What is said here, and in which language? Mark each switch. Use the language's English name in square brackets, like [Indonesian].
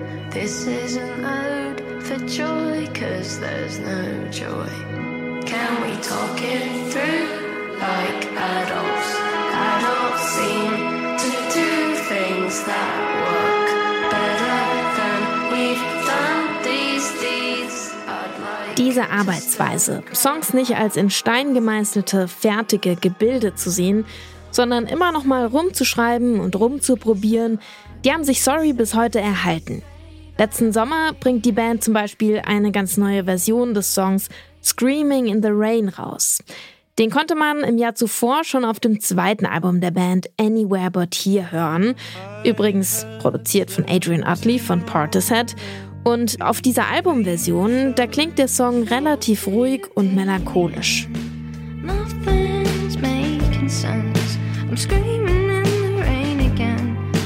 [English] This is an ode for joy, 'cause there's no joy. Can we talk it through like adults? Adults seem to do things that work better than we've done these deeds. [German] Diese Arbeitsweise, Songs nicht als in Stein gemeißelte, fertige Gebilde zu sehen, sondern immer noch mal rumzuschreiben und rumzuprobieren, die haben sich Sorry bis heute erhalten. Letzten Sommer bringt die Band zum Beispiel eine ganz neue Version des Songs Screaming in the Rain raus. Den konnte man im Jahr zuvor schon auf dem 2. Album der Band Anywhere But Here hören. Übrigens produziert von Adrian Utley von Portishead. Und auf dieser Albumversion, da klingt der Song relativ ruhig und melancholisch. [English] Nothing's making sense. I'm screaming in the rain again.